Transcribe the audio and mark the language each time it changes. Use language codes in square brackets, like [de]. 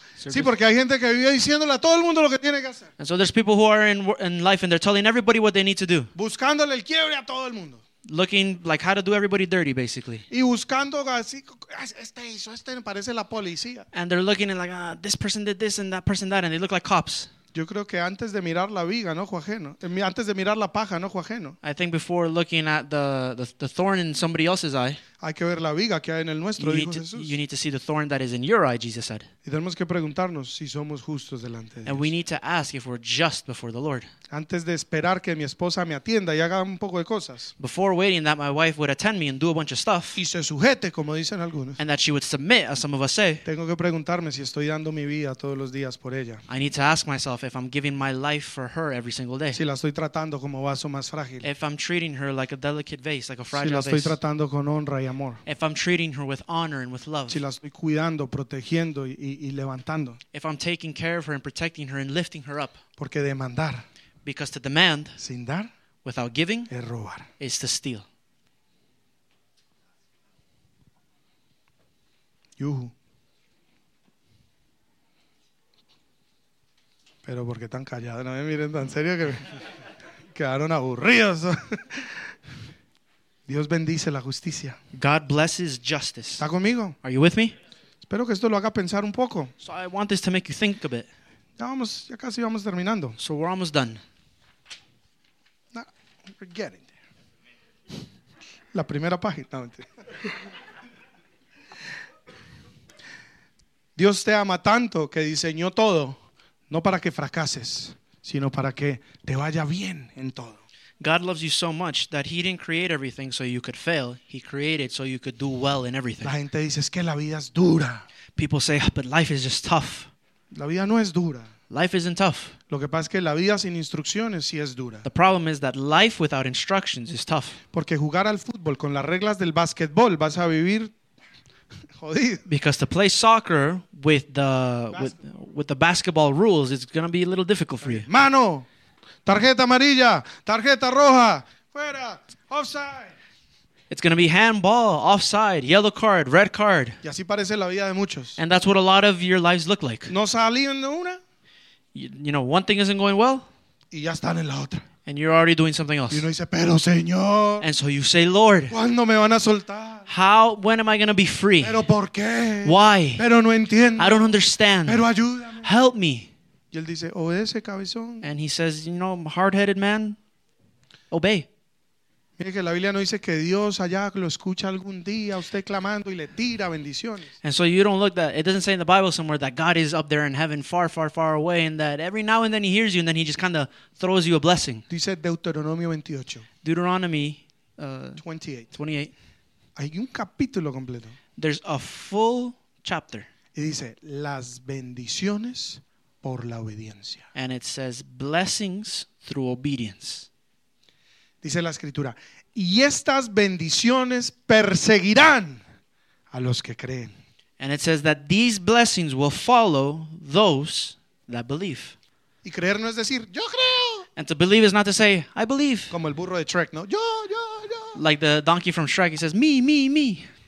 [es] Sí, porque hay gente que vive diciéndole a todo el mundo lo que tiene que hacer. [en] And so there's people who are in life and they're telling everybody what they need to do. [es] Buscándole el quiebre a todo el mundo. [en] Looking like how to do everybody dirty, basically. [es] Y buscando así, este hizo, este parece la policía. [en] And they're looking and like, this person did this and that person that, and they look like cops. [es] Yo creo que antes de mirar la viga, no ojo ajeno. Antes de mirar la paja, no ojo ajeno. [en] I think before looking at the thorn in somebody else's eye. [es] Hay que ver la viga que hay en el nuestro, dijo Jesús. [en] You need to see the thorn that is in your eye, Jesus said. [es] Y tenemos que preguntarnos si somos justos delante de Dios. [en] And we need to ask if we're just before the Lord. [es] Antes de esperar que mi esposa me atienda y haga un poco de cosas. [en] Before waiting that my wife would attend me and do a bunch of stuff. [es] Y se sujete, como dicen algunos. [en] And that she would submit, as some of us say. [es] Tengo que preguntarme si estoy dando mi vida todos los días por ella. [en] I need to ask myself if I'm giving my life for her every single day. [es] Si la estoy tratando como vaso más frágil. [en] If I'm treating her like a delicate vase, like a fragile vase. [es] Si la estoy tratando con honra y amor. [en] If I'm treating her with honor and with love. [es] Si la estoy cuidando, protegiendo y levantando. [en] If I'm taking care of her and protecting her and lifting her up. [es] Porque demandar. [en] Because to demand, [es] sin dar, [en] without giving, [es] es robar. [en] Is to steal. Yuhu. [es] Pero ¿por qué tan callado? No me miren tan serio que me quedaron aburridos. Dios bendice la justicia. [en] God blesses justice. [es] ¿Está conmigo? [en] Are you with me? [es] Espero que esto lo haga pensar un poco. [en] So I want this to make you think a bit. [es] Ya casi vamos terminando. [en] So we're almost done. We're getting there. [es] La primera página. No, Dios te ama tanto que diseñó todo, no para que fracases, sino para que te vaya bien en todo. [en] God loves you so much that he didn't create everything so you could fail. He created so you could do well in everything. [es] La gente dice, es que la vida es dura. [en] People say, but life is just tough. [es] La vida no es dura. [en] Life isn't tough. [es] Lo que pasa es que la vida sin instrucciones sí es dura. [en] The problem is that life without instructions is tough. [es] Porque jugar al fútbol con las reglas del basketball vas a vivir jodido. [en] Because to play soccer with the basketball rules is going to be a little difficult for you. [es] Mano, tarjeta amarilla, tarjeta roja, fuera, offside. [en] It's going to be handball, offside, yellow card, red card. [es] Y así parece la vida de muchos. [en] And that's what a lot of your lives look like. [es] No salen de una. [en] You know, one thing isn't going well, [es] y ya están en la otra. [en] And you're already doing something else. [es] Y uno dice, pero Señor, [en] and so you say, Lord, [es] ¿cuándo me van a soltar? [en] How, when am I going to be free? [es] Pero ¿por qué? [en] Why? [es] Pero no entiendo. [en] I don't understand. [es] Pero ayúdame. [en] Help me. [es] Y él dice, obedece, cabezón. [en] And he says, you know, hard-headed man, obey. [es] Mire que la Biblia no dice que Dios allá lo escucha algún día usted clamando y le tira bendiciones. [en] And so you don't look that, it doesn't say in the Bible somewhere that God is up there in heaven far, far, far away and that every now and then he hears you and then he just kind of throws you a blessing. [es] Dice Deuteronomio 28. [en] Deuteronomy [es] 28. Hay un capítulo completo. [en] There's a full chapter. [es] Y dice, las bendiciones por la obediencia. [en] And it says, blessings through obedience. [es] Dice la escritura, y estas bendiciones perseguirán a los que creen. [en] And it says that these blessings will follow those that believe. [es] Y creer no es decir, yo creo. [en] And to believe is not to say, I believe. [es] Como el burro de Shrek, ¿no? Yo. [en] Like the donkey from Shrek, he says, me.